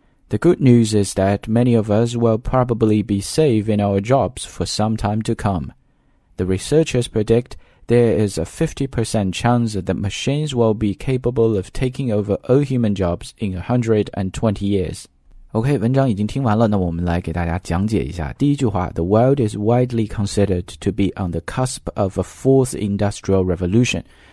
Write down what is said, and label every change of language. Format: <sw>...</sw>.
<en>The good news is that many of us will probably be safe in our jobs for some time to come. The researchers predict there is a 50% chance that machines will be capable of taking over all human jobs in 120 years.</en> <zh>OK, 文章已经听完了，那我们来给大家讲解一下。第一句话，</zh> <en>The world is widely considered to be on the cusp of a fourth industrial revolution.</en>